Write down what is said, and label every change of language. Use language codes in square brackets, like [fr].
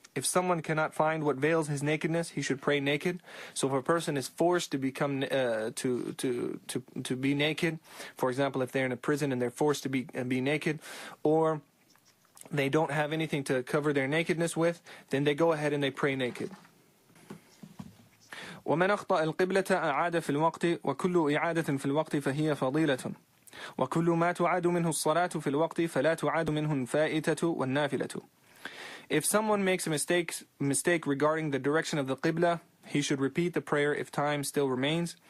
[en] If someone cannot find what veils his nakedness, he should pray naked. So if a person is forced to become to be naked, for example, if they're in a prison and they're forced to be naked, or they don't have anything to cover their nakedness with, then they go ahead and they pray naked. [ar] ومن أخطأ القبلة أعاد في الوقت وكل إعادة في الوقت فهي فضيلة وكل ما تعاد منه الصلاة في الوقت فلا تعاد منه الفائتة والنافلة. [en] If someone makes a mistake regarding the direction of the qibla, he should repeat the prayer if time still remains.